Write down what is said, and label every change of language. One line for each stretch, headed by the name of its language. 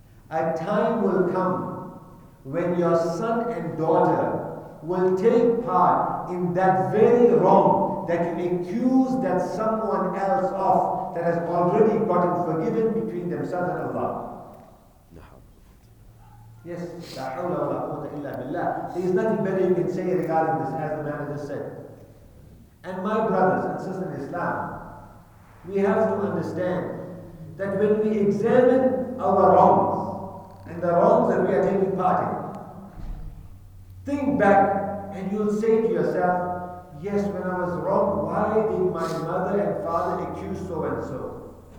English: A time will come when your son and daughter will take part in that very wrong that you accuse that someone else of that has already gotten forgiven between themselves and Allah.
Arabic: Yes, لا حول ولا قوة إلا بالله.
English: There is nothing better you can say regarding this, as the man has just said. And my brothers and sisters in Islam, we have to understand that when we examine our wrongs and the wrongs that we are taking part in, think back and you'll say to yourself, yes, when I was wrong, why did my mother and father accuse so and so?